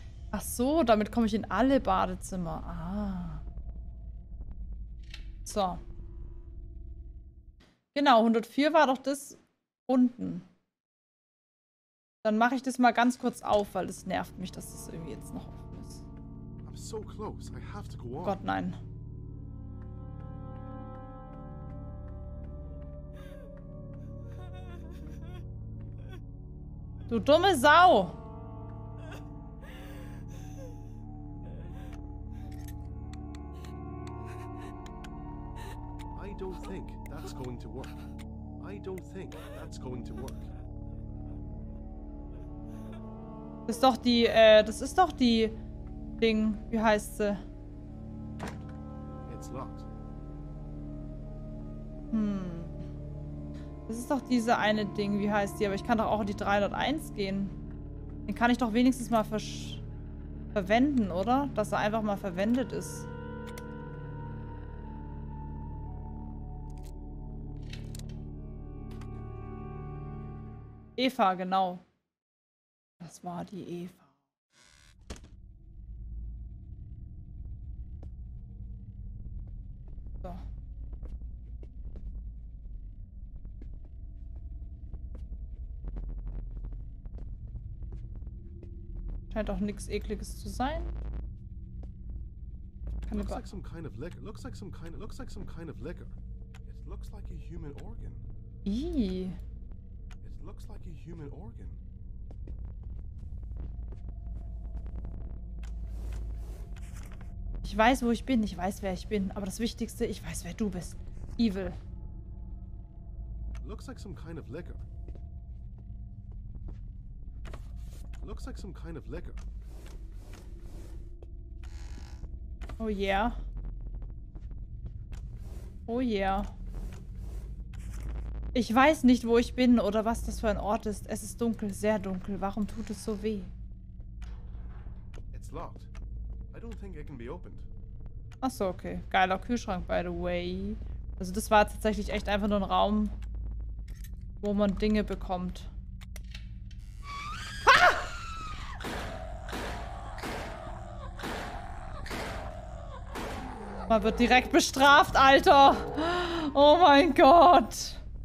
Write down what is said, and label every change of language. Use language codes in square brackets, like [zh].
[de] Ach so, damit komme ich in alle Badezimmer. Ah. So. Genau, 104 war doch das unten. Dann mache ich das mal ganz kurz auf, weil es nervt mich, dass das irgendwie jetzt noch offen ist. [en] I'm so close. I have to go on. [de] Gott, nein. Du dumme Sau! [en] I don't think that's going to work. I don't think that's going to work. [de] Ist doch die, das ist doch die Ding, wie heißt sie? [en] It's locked. [de] Das ist doch diese eine Ding, wie heißt die? Aber ich kann doch auch in die 301 gehen. Den kann ich doch wenigstens mal verwenden, oder? Dass er einfach mal verwendet ist. Eva, genau. Das war die Eva. Scheint auch nichts Ekliges zu sein. [en] Keine looks like some kind of liquor. Looks like some kind of, looks like some kind of liquor. It looks like a human organ. It looks like a human organ. [de] Ich weiß, wo ich bin. Ich weiß, wer ich bin. Aber das Wichtigste, ich weiß, wer du bist. [en] Evil. Looks like some kind of liquor. Looks like some kind of liquor. Oh yeah. Oh yeah. [de] Ich weiß nicht, wo ich bin oder was das für ein Ort ist. Es ist dunkel, sehr dunkel. Warum tut es so weh? [en] It's locked. I don't think it can be opened. [de] Ach so, okay. Geiler Kühlschrank, [en] by the way. [de] Also das war tatsächlich echt einfach nur ein Raum, wo man Dinge bekommt. Man wird direkt bestraft, Alter. Oh mein Gott.